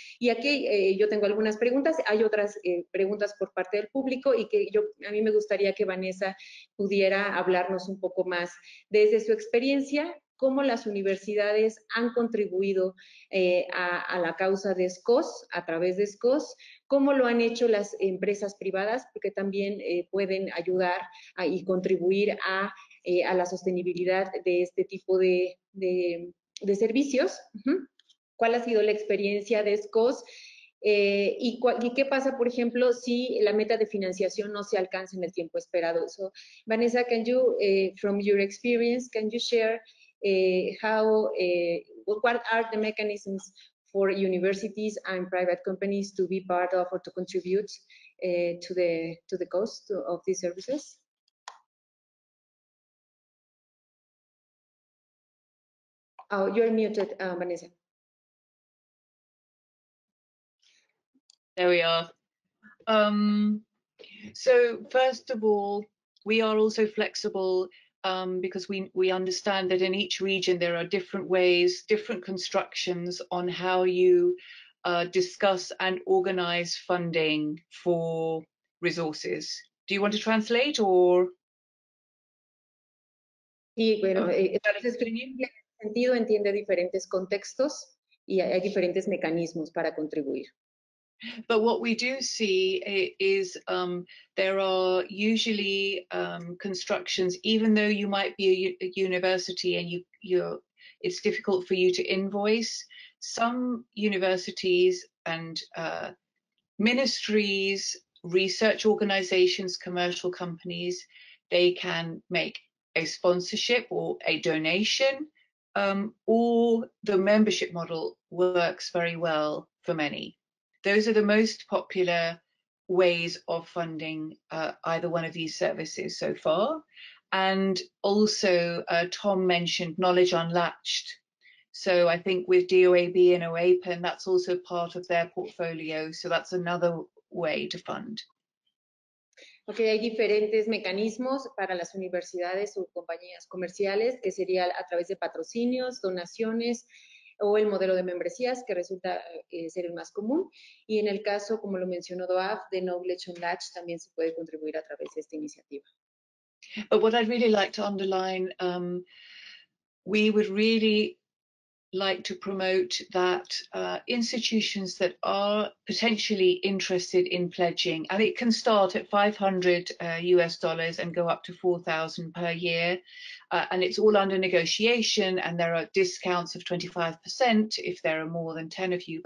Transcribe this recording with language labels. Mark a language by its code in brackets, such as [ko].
[es] Y aquí yo tengo algunas preguntas, hay otras preguntas por parte del público, y que a mí me gustaría que Vanessa pudiera hablarnos un poco más desde su experiencia, cómo las universidades han contribuido a la causa de SCOS, a través de SCOS, cómo lo han hecho las empresas privadas, porque también pueden ayudar y contribuir a la sostenibilidad de este tipo de servicios, cuál ha sido la experiencia de SCOS y qué pasa, por ejemplo, si la meta de financiación no se alcanza en el tiempo esperado. [en] So, Vanessa, can you, from your experience, can you share what are the mechanisms for universities and private companies to be part of or to contribute to the cost of these services? Oh, you're muted, Vanessa. There we are. So first of all, we are also flexible Because we understand that in each region there are different ways, different constructions on how you discuss and organize funding for resources. Do you want to translate or? [es] Sí, bueno, en sentido entiende diferentes contextos y hay diferentes mecanismos para contribuir. [en] But what we do see is there are usually constructions, even though you might be a university and it's difficult for you to invoice, some universities and ministries, research organizations, commercial companies, they can make a sponsorship or a donation, or the membership model works very well for many. Those are the most popular ways of funding either one of these services so far. And also Tom mentioned Knowledge Unlatched. So I think with DOAB and OAPEN, that's also part of their portfolio. So that's another way to fund. [es] Okay, hay diferentes mecanismos para las universidades o compañías comerciales, que sería a través de patrocinios, donaciones, o el modelo de membresías, que resulta ser el más común. Y en el caso, como lo mencionó Doaf, de Knowledge Unlatched, también se puede contribuir a través de esta iniciativa. [en] But what I'd really like to underline, we would really like to promote that institutions that are potentially interested in pledging, and it can start at $500 and go up to $4,000 per year, and it's all under negotiation, and there are discounts of 25% if there are more than 10 of you.